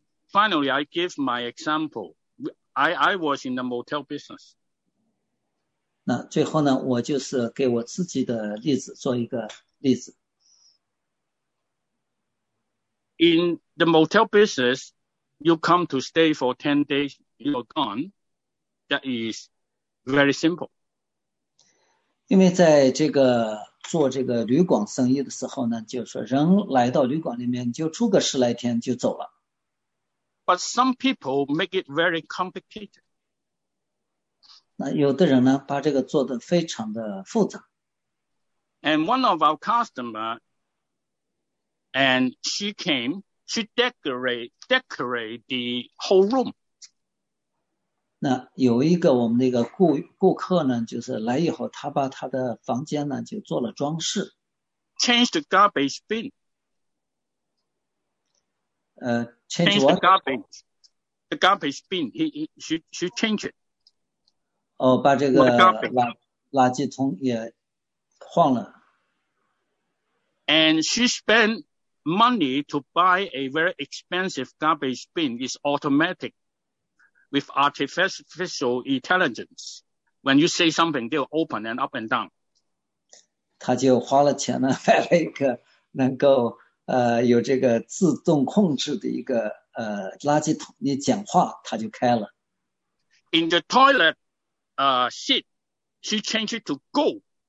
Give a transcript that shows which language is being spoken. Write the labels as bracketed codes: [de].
[en] Finally, I give my example. I was in the motel business. [zh] 那最后呢，我就是给我自己的例子做一个例子。 [en] In the motel business, you come to stay for 10 days, you're gone. That is very simple. [zh] 因为在这个做这个旅馆生意的时候呢，就是人来到旅馆里面就住个十来天就走了。 [en] But some people make it very complicated. [zh] 那有的人呢，把这个做得非常的复杂。 [en] And one of our customers,And she came to decorate the whole room. [zh] 那有一个我们那个顾客呢，就是来以后，他把他的房间呢就做了装饰。 [en] Change the garbage bin. Change what? The garbage bin. He change it. [zh] 哦，把这个垃圾桶也换了。 [en] And she spent. Money to buy a very expensive garbage bin is automatic with artificial intelligence. When you say something, they'll open and up and down. [zh] 他就花了钱呢，买了一个能够有这个自动控制的一个垃圾桶。你讲话，它就开了。 [en] In the toilet, seat, she changed it to gold.